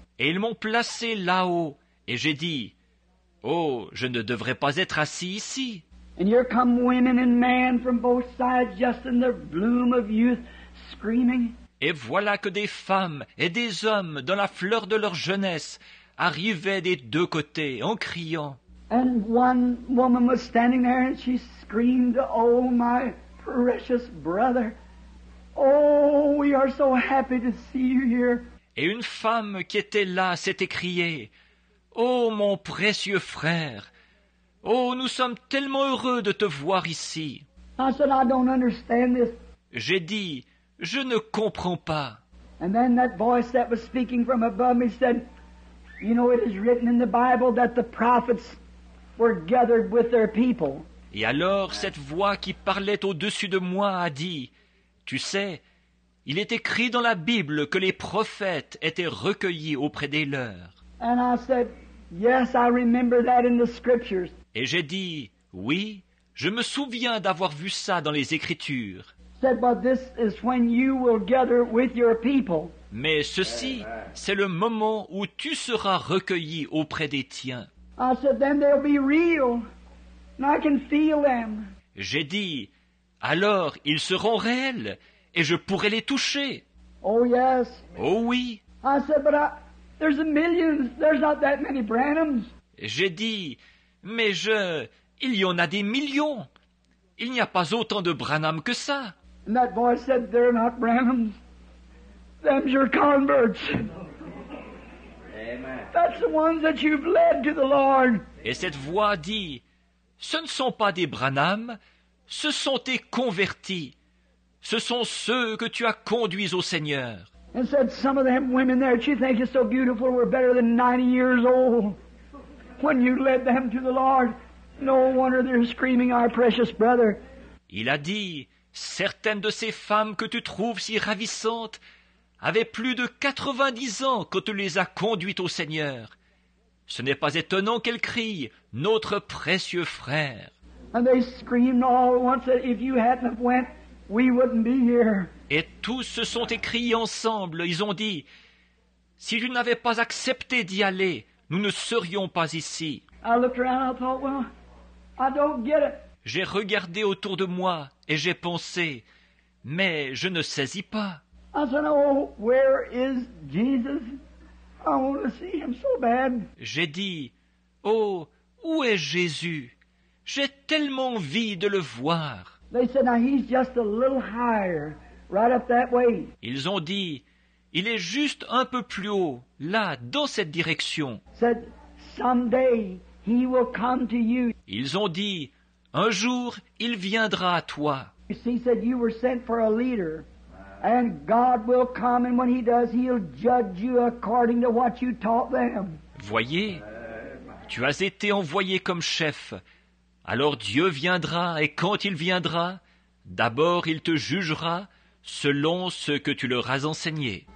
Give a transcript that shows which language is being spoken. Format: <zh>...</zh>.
<fr>Et ils m'ont placé là-haut et j'ai dit, oh, je ne devrais pas être assis ici.</fr> <en>And here come women and men from both sides, just in their bloom of youth, screaming.</en> <fr>Et voilà que des femmes et des hommes, dans la fleur de leur jeunesse, arrivaient des deux côtés en criant.</fr> <en>And one woman was standing there, and she screamed, "Oh, my precious brother! Oh, we are so happy to see you here!"</en> <fr>Et une femme qui était là s'est écriée, "Oh, mon précieux frère! Oh, nous sommes tellement heureux de te voir ici.</fr> <en>I said, I don't understand this.</en> <fr>J'ai dit, je ne comprends pas.</fr> <en>And then that voice that was speaking from above me said, you know, it is written in the Bible that the prophets were gathered with their people.</en> <fr>Et alors, cette voix qui parlait au-dessus de moi a dit, tu sais, il est écrit dans la Bible que les prophètes étaient recueillis auprès des leurs.</fr> <en>And I said, yes, I remember that in the scriptures.</en> <fr>Et j'ai dit, oui, je me souviens d'avoir vu ça dans les Écritures.</fr> <en>Said, but this is when you will gather with your people.</en> <fr>Mais ceci, c'est le moment où tu seras recueilli auprès des tiens.</fr> <en>I said, then they'll be real, and I can feel them.</en> <fr>J'ai dit, alors ils seront réels et je pourrai les toucher.</fr> <en>Oh yes.</en> <fr>Oh oui.</fr> <en>I said, but there's a million. There's not that many Branhams.</en> <fr>J'ai dit, mais je, il y en a des millions. Il n'y a pas autant de Branham que ça.</fr> <en>And that voice said, they're not Branhams. Them's your converts. Amen. That's the ones that you've led to the Lord.</en> <fr>Et cette voix dit, ce ne sont pas des Branham, ce sont tes convertis. Ce sont ceux que tu as conduits au Seigneur.</fr> <en>And said, some of them women there that you think is so beautiful were better than 90 years old. When you led them to the Lord, no wonder they're screaming, our precious brother.</en> <fr>Il a dit, certaines de ces femmes que tu trouves si ravissantes avaient plus de 90 ans quand tu les as conduites au Seigneur. Ce n'est pas étonnant qu'elles crient, notre précieux frère.</fr> <en>And they screamed all at once that if you hadn't have went, we wouldn't be here.</en> <fr>Et tous se sont écriés ensemble, ils ont dit, si tu n'avais pas accepté d'y aller, nous ne serions pas ici.</fr> <en>I looked around, I thought, well, I don't get it.</en> <fr>J'ai regardé autour de moi et j'ai pensé, mais je ne saisis pas.</fr> <en>I said, oh, where is Jesus? I want to see him so bad.</en> <fr>J'ai dit, oh, où est Jésus? J'ai tellement envie de le voir.</fr> <en>They said, now he's just a little higher, right up that way.</en> <fr>Ils ont dit, il est juste un peu plus haut, là, dans cette direction.</fr> <en>Said, someday he will come to you.</en> <fr>Ils ont dit, un jour, il viendra à toi.</fr> <en>You see, said you were sent for a leader, and God will come, and when he does, he'll judge you according to what you taught them.</en> <fr>Voyez, tu as été envoyé comme chef. Alors Dieu viendra, et quand il viendra, d'abord il te jugera selon ce que tu leur as enseigné.</fr>